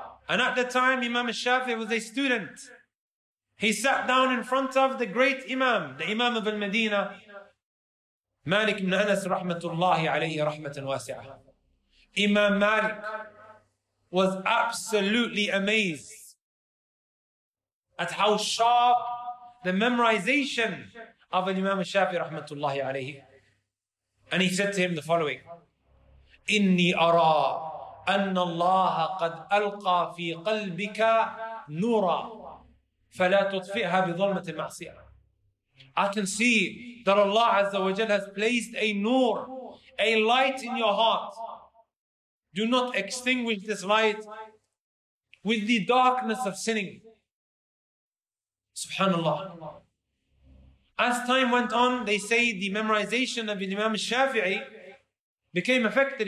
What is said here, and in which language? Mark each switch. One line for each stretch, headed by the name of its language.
English: And at the time, Imam Al-Shafi'i was a student. He sat down in front of the great Imam, the Imam of Al-Medina, Malik ibn Anas
Arabic: rahmatullahi alayhi rahmatan wasi'ah.
English: Imam Malik was absolutely amazed at how sharp the memorization of Imam Shafi
Arabic: rahmatullahi alayhi.
English: And he said to him the following,
Arabic: إِنِّي أَرَى أَنَّ اللَّهَ قَدْ أَلْقَى فِي قَلْبِكَ نُورًا فَلَا تُطْفِئْهَا بِظُلْمَةِ الْمَعْصِيَةِ.
English: I can see that Allah Azza wa Jal has placed a nur, a light in your heart. Do not extinguish this light with the darkness of sinning. Subhanallah. As time went on, they say the memorization of Imam Shafi'i became affected.